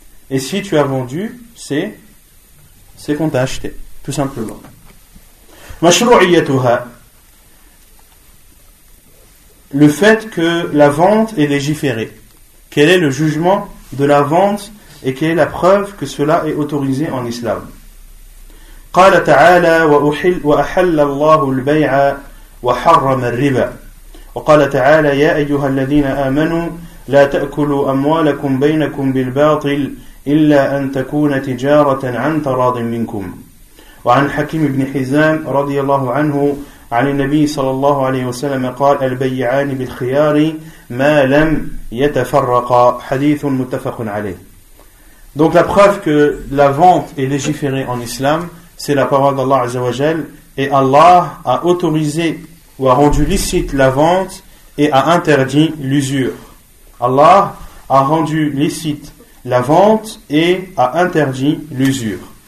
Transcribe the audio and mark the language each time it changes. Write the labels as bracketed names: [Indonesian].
[French] Et si tu as vendu, c'est qu'on t'a acheté, tout simplement. [Arabic] Mashru'iyyatuha. [French] Le fait que la vente est légiférée. Quel est le jugement de la vente et quelle est la preuve que cela est autorisé en islam? [Arabic] قال تعالى وأحل الله البيع وحرم الربا. وقال تعالى يا أيها الذين آمنوا لا تأكلوا أموالكم بينكم بالباطل إلا أن تكون تجارة عن تراض منكم. وعن حكيم بن حزام رضي الله عنه عن النبي صلى الله عليه وسلم قال البيعان بالخيار ما لم يتفرقا حديث متفق عليه. [French] Donc la preuve que la vente est légiférée en islam, c'est la parole d'Allah Azza wa Jal, et Allah a autorisé ou a rendu licite la vente et a interdit l'usure. Allah a rendu licite la vente et a interdit l'usure.